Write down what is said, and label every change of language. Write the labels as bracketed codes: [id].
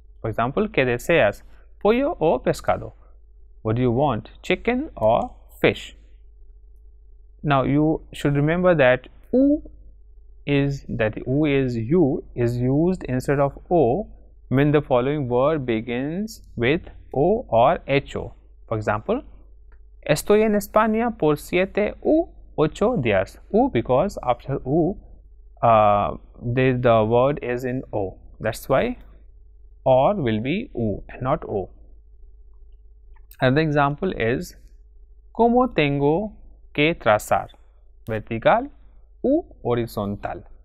[en] For example, [es] ¿qué deseas? ¿Pollo o pescado? [en] What do you want? ¿Chicken or fish? Now, you should remember that U is used instead of O when the following word begins with O or HO. For example, [es] estoy en España por 7 u 8 días. [en] U, because after U, the word is in O. That's why OR will be U and not O. Another example is [es] como tengo que trazar vertical u horizontal.